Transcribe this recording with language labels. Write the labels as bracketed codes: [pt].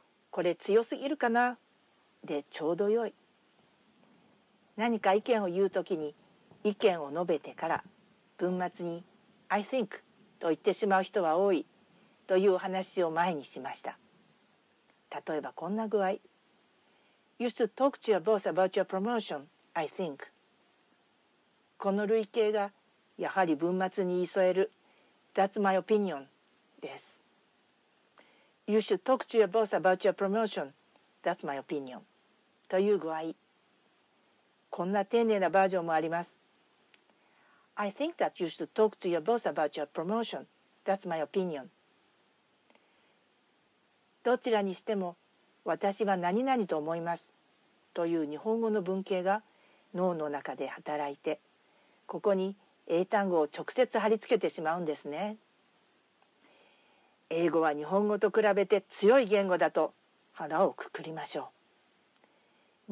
[ja] これ強すぎるかな、でちょうどよい。何か意見を言うときに、意見を述べてから文末に [en] I think [ja] と言ってしまう人は多いという話を前にしました。例えばこんな具合。 [en] You should talk to your boss about your promotion, I think. [ja] この類型がやはり文末に言い添える [en] That's my opinion [ja] です。 [en] You should talk to your boss about your promotion. That's my opinion. [ja] という具合。こんな丁寧なバージョンもあります。 [en] I think that you should talk to your boss about your promotion. That's my opinion. [ja] どちらにしても私は何々と思いますという日本語の文型が脳の中で働いて、ここに英単語を直接貼り付けてしまうんですね。英語は日本語と比べて強い言語だと腹をくくりましょう。